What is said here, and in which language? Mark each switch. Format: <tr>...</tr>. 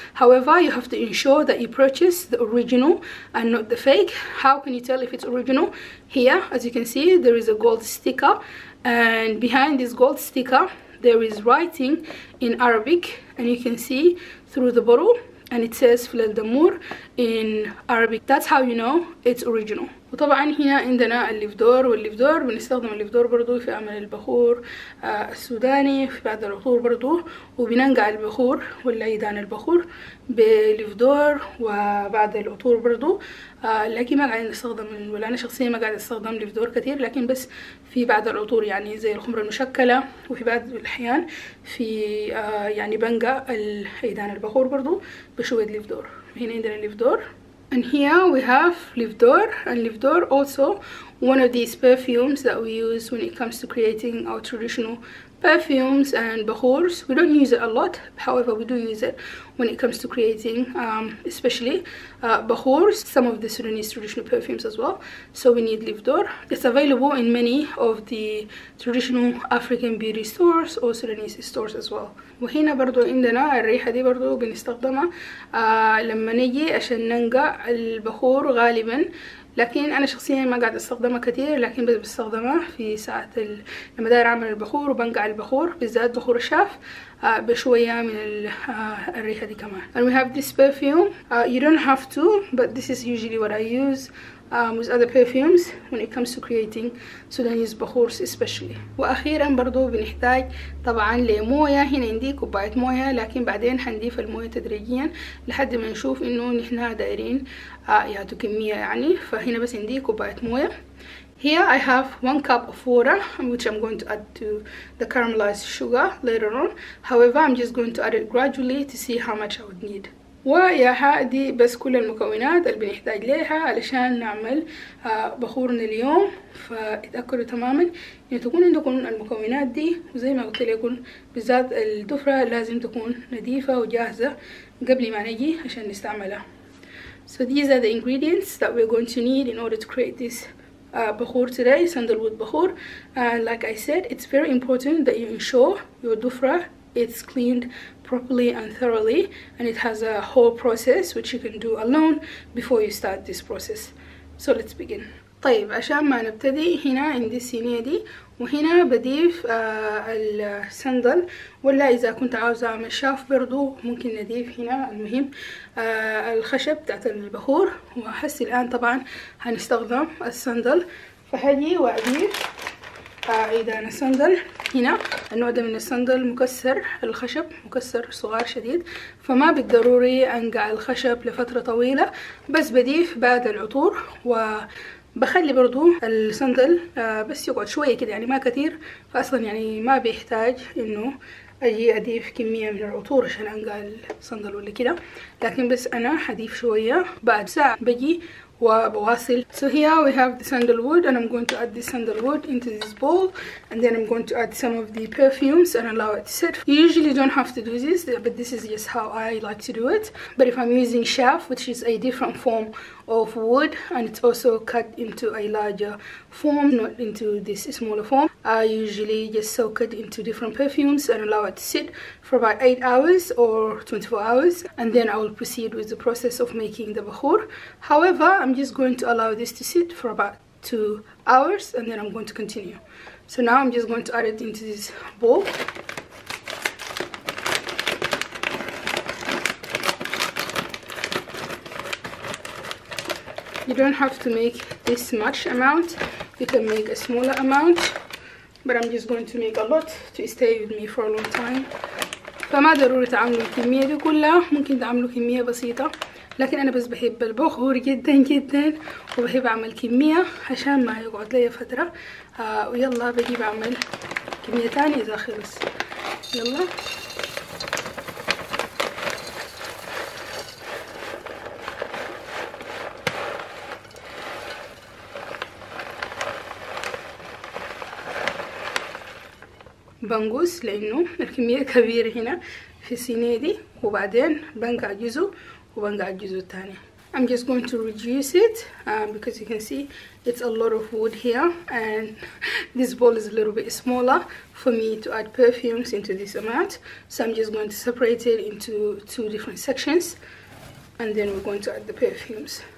<en>However, you have to ensure that you purchase the original and not the fake. How can you tell if it's original? Here, as you can see, there is a gold sticker, and behind this gold sticker, there is writing in Arabic, and you can see through the bottle, and it says Filel Damour in Arabic. That's how you know it's original.</en> <ar>وطبعا هنا عندنا الليفدور، والليفدور بنستخدم الليفدور برضو في عمل البخور السوداني في بعض العطور برضو، وبننقع البخور والعيدان البخور بالليفدور وبعض العطور برضو، لكن ما قاعد نستخدم، ولا أنا شخصيا ما قاعد استخدم ليفدور كثير، لكن بس في بعض العطور يعني زي الخمرة المشكلة، وفي بعض الأحيان في يعني بنقع العيدان البخور برضو بشوية ليفدور. هنا عندنا ليفدور.</ar> <en>And here we have Livdor, and Livdor also one of these perfumes that we use when it comes to creating our traditional perfumes and bakhours. We don't use it a lot, however we do use it when it comes to creating especially bakhours, some of the Sudanese traditional perfumes as well. So we need Livdor. It's available in many of the traditional African beauty stores or Sudanese stores as well.</en> <ar>وهنا برضو عندنا الريحة دي برضو بنستخدمها لما نجي عشان ننقع البخور غالبا، لكن أنا شخصيا ما قاعد استخدمها كتير، لكن بس بستخدمها في ساعة لما داير أعمل البخور وبنقع البخور، بالذات بخور الشاف بشوية من الريحة دي كمان.</ar> <en>And we have this perfume. You don't have to, but this is usually what I use with other perfumes when it comes to creating Sudanese bakhours especially.</en> <ar>وأخيرا برضو بنحتاج طبعا لموية. هنا عندي كوباية موية، لكن بعدين هنضيف الموية تدريجيا لحد ما نشوف انه نحنا دايرين يعني كمية يعني، فهنا بس عندي كوباية موية.</ar> <en>Here I have 1 cup of water, which I'm going to add to the caramelized sugar later on. However, I'm just going to add it gradually to see how much I would need.</en> <ar>ويا هادي بس كل المكونات اللي بنحتاج ليها علشان نعمل بخورنا اليوم، فاتأكدوا تماما ان تكون عندكم المكونات دي، وزي ما قلت لكم بالذات الدفرة لازم تكون نظيفة وجاهزة قبل ما نجي عشان نستعملها.</ar> <en>So these are the ingredients that we're going to need in order to create this bakhour today, sandalwood bakhour. And like I said, it's very important that you ensure your dufra it's cleaned properly and thoroughly, and it has a whole process which you can do alone before you start this process. So let's begin.</en> <ar>طيب عشان ما نبتدي، هنا عندي الصينية دي، وهنا بضيف السندل، ولا إذا كنت عاوزة أعمل شاف برضو ممكن نضيف هنا، المهم الخشب بتاعت البخور. وهسي الآن طبعا هنستخدم السندل، فهدي وأضيف عيدان السندل هنا. النوع ده من السندل مكسر الخشب، مكسر صغار شديد، فما بالضروري أنقع الخشب لفترة طويلة، بس بضيف بعد العطور، وبخلي برضو السندل بس يقعد شوية كده يعني ما كتير، فأصلا يعني ما بيحتاج إنه أجي أضيف كمية من العطور عشان أنقع السندل ولا كده، لكن بس أنا حضيف شوية، بعد ساعة بجي وبواصل.</ar> <en>So here we have the sandalwood, and I'm going to add the sandalwood into this bowl, and then I'm going to add some of the perfumes and allow it to sit. You usually don't have to do this, but this is just how I like to do it. But if I'm using chaff, which is a different form of wood, and it's also cut into a larger form, not into this smaller form, I usually just soak it into different perfumes and allow it to sit for about 8 hours or 24 hours, and then I will proceed with the process of making the bakhour. However, I'm just going to allow this to sit for about 2 hours, and then I'm going to continue. So now I'm just going to add it into this bowl. You don't have to make this much amount, you can make a smaller amount, but I'm just going to make a lot to stay with me for a long time.</en> <ar>فما ضروري تعملوا الكمية دي كلها، ممكن تعملوا كمية بسيطة، لكن أنا بس بحب البخور جدا جدا وبحب أعمل كمية عشان ما يقعد لي فترة. ويلا بجي بعمل كمية تانية إذا خلص. يلا بنقص لانه الكميه كبيره هنا في الصينيه دي، وبعدين بنقع جزء وبنقع الجزء الثاني.</ar> <en>I'm just going to reduce it because you can see it's a lot of wood here and this bowl is a little bit smaller for me to add perfumes into this amount. So I'm just going to separate it into two different sections and then we're going to add the perfumes.</en>